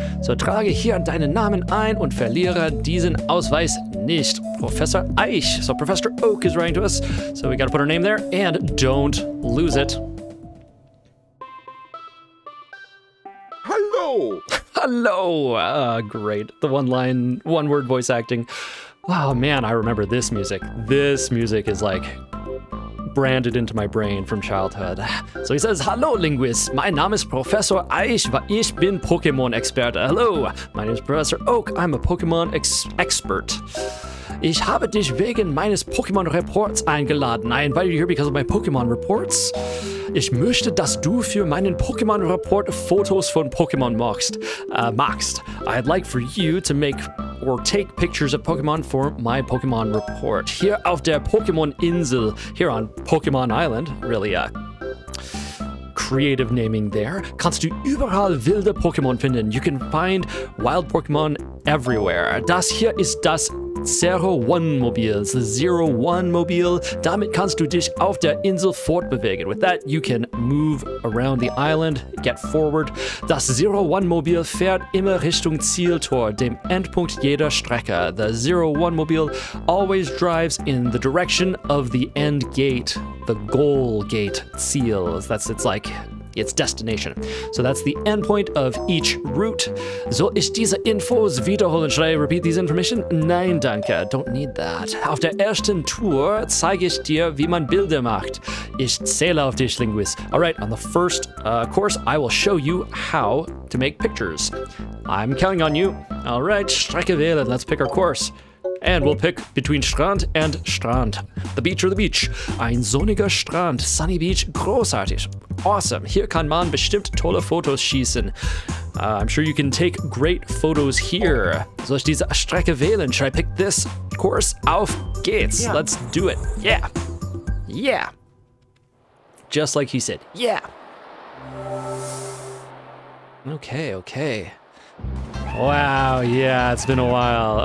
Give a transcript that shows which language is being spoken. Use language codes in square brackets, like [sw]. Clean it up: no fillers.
[de] So trage hier deinen Namen ein und verliere diesen Ausweis nicht. [en] Professor Eich. So Professor Oak is writing to us. So we gotta put our name there and don't lose it. Hello! Hello! Great. The one line, one word voice acting. Oh man, I remember this music. This music is like branded into my brain from childhood. So he says, hello linguists, my name is Professor Eich, [de] ich bin Pokemon Experte. [en] Hello, my name is Professor Oak, I'm a Pokemon expert. [de] Ich habe dich wegen meines Pokemon Reports eingeladen. [en] I invited you here because of my Pokemon Reports. [de] Ich möchte, dass du für meinen Pokemon Report Fotos von Pokemon machst. [en] I'd like for you to make or take pictures of Pokemon for my Pokemon Report. Here [de] auf der Pokemon Insel, [en] here on Pokemon Island, really a creative naming there, [de] kannst du überall wilde Pokemon finden. [en] You can find wild Pokemon everywhere. [de] Das hier ist das 01-Mobile, [en] the 01-Mobile. [de] Damit kannst du dich auf der Insel fortbewegen. [en] With that, you can move around the island, get forward. [de] Das 01-Mobile fährt immer Richtung Zieltor, dem Endpunkt jeder Strecke. [en] The 01-Mobile always drives in the direction of the end gate, the goal gate, Ziel. That's it's like its destination. So that's the endpoint of each route. [de] So ist diese Infos wiederholen. [en] Should I repeat these information? [de] Nein, danke. [en] Don't need that. [de] Auf der ersten Tour zeige ich dir, wie man Bilder macht. Ich zähle auf dich, Linguist. [en] All right, on the first course, I will show you how to make pictures. I'm counting on you. All right, [de] Strecke wählen. [en] Let's pick our course. And we'll pick between Strand and Strand. The beach or the beach? [de] Ein sonniger Strand, [en] sunny beach, [de] großartig. Awesome, hier kann man bestimmt tolle Fotos schießen. [en] I'm sure you can take great photos here. [de] Soll ich diese Strecke wählen? [en] Should I pick this course? [de] Auf geht's, [en] yeah. Let's do it. Yeah, yeah. Just like he said, yeah. Okay, okay. Wow, yeah, it's been a while.